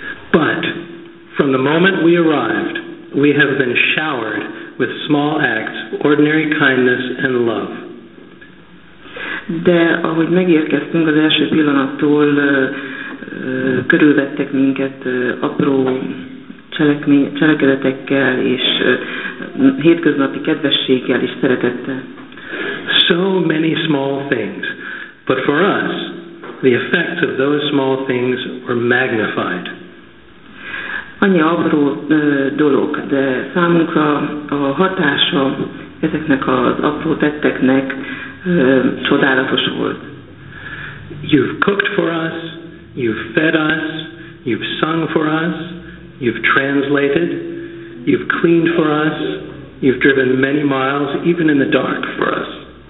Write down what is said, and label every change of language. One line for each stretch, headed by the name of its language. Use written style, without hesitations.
English: But from the moment we arrived, we have been showered with small acts, ordinary kindness and love.
Hungarian: De ahogy megérkeztünk, az első pillanattól körülvettek minket apró cselekedetekkel és hétköznapi kedvességgel és szeretettel.
English: So many small things, but for us, the effects of those small things were magnified.
Hungarian: Annyi apró dolog, de számunkra a hatása ezeknek az apró tetteknek csodálatos volt.
English: You've cooked for us, you've fed us, you've sung for us, you've translated, you've cleaned for us, you've driven many miles, even in the dark, for us.